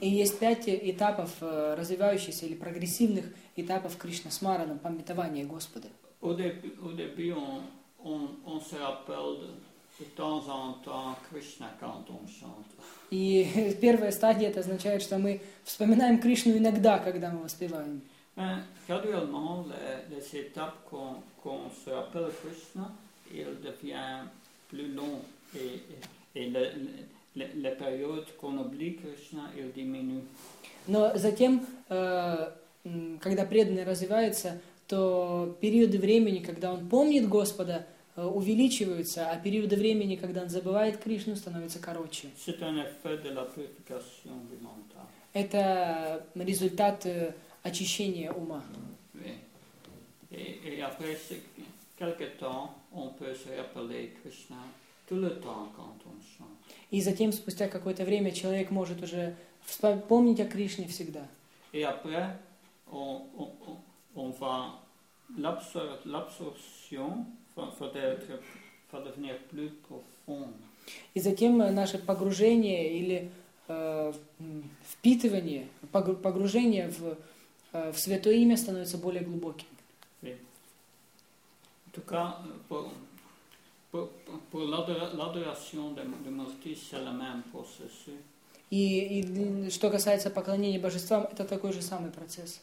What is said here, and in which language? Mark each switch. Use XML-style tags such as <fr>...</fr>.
<ru>И есть пять этапов развивающихся или прогрессивных этапов Кришна Смарана, памятования Господа.</ru> <fr>Au début, on se rappelle de temps en temps Krishna quand on chante.</fr> <ru>И первая стадия это означает, что мы вспоминаем Кришну иногда, когда мы воспеваем.</ru> <fr>Graduellement, les étapes qu'on se rappelle Krishna, il devient plus long et les périodes qu'on oublie Krishna, il diminue.</fr> <ru>Но затем, когда преданный развивается, то периоды времени, когда он помнит Господа, увеличиваются, а периоды времени, когда он забывает Кришну, становятся короче.</ru> <fr>C'est un effet de la purification du mental.</fr> <ru>Это результат очищение ума.</ru> <fr>И après quelques temps, on peut se rappeler Krishna tout le temps quand on chante.</fr> <ru>И затем спустя какое-то время человек может уже помнить о Кришне всегда.</ru> <fr>И après on va l'absorption va devenir plus profond.</fr> <ru>И затем наше погружение или впитывание, погружение в святое имя становится более глубоким. Только по</ru> <fr>l'adoration de Murti, c'est le même processus.</fr> <ru>И что касается поклонения божествам, это такой же самый процесс.</ru>